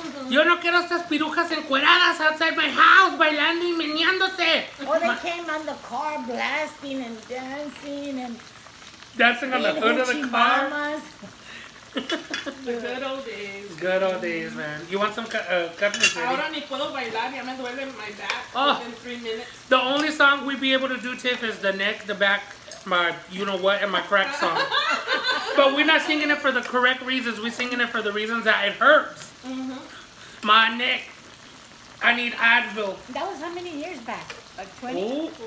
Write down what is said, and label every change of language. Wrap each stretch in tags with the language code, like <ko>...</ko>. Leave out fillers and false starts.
<es>Yo no quiero estas pirujas encueradas</es> <en>outside my house,</en> <es>bailando y meneándose.</es> <en>Oh, they came on the car blasting and dancing and... Dancing on the hood of the car. Mamas. Good old days, man. You want some cupcakes?</en> <es>Ahora ni puedo bailar, ya me duele</es> <en>my back within 3 minutes. The only song we'd be able to do, Tiff, is the neck, the back, my you know what, and my crack song. But we're not singing it for the correct reasons. We're singing it for the reasons that it hurts. Mm-hmm. My neck. I need Advil. That was how many years back? 20. Ooh,</en>